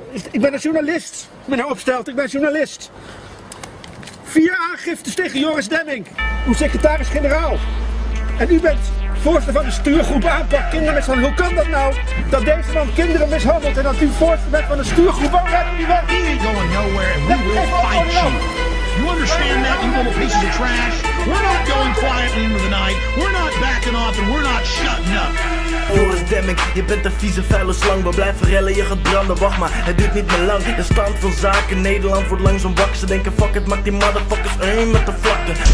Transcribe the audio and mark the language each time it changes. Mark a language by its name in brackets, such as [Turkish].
[Dutch] Ik ben een journalist, meneer Opstelten, ik ben journalist. 4 aangiftes tegen Joris Demmink, uw secretaris-generaal. En u bent voorzitter van de stuurgroep aanpak kindermishandeling. Hoe kan dat nou dat deze man kinderen mishandelt en dat u voorzitter bent van de stuurgroep? Waarom redden we die weg? [English] He ain't going nowhere, we will fight you. You understand that, you little pieces of trash? We're not going quietly into the night. We're not backing off and we're not shutting up. [Dutch] Joris Demmink, je bent een vieze vuile slang. We blijven rellen, je gaat branden, wacht maar, het duurt niet meer lang. De stand van zaken, Nederland wordt langzaam wakker. Ze denken fuck it, maak die motherfuckers een met de vlakte.